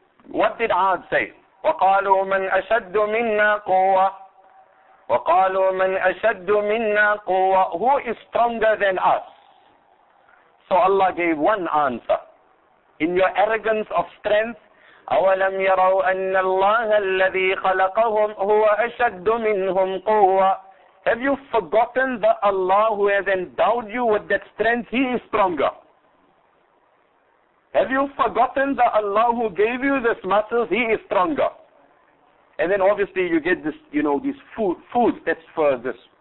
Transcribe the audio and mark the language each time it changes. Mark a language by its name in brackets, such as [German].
[English] What did Ad say? [Arabic] وَقَالُوا مَنْ أَشَدُّ مِنَّا قُوَّةً وَقَالُوا مَنْ أَشَدُّ مِنَّا قُوَّةً. [English] Who is stronger than us? So Allah gave one answer. In your arrogance of strength, [Arabic] أولم يروا أن الله الذي خلقهم هو أشد منهم قوة. [English] Have you forgotten that Allah who has endowed you with that strength, He is stronger? Have you forgotten that Allah who gave you this muscles, He is stronger? And then obviously you get this, you know, these foods, that's for this.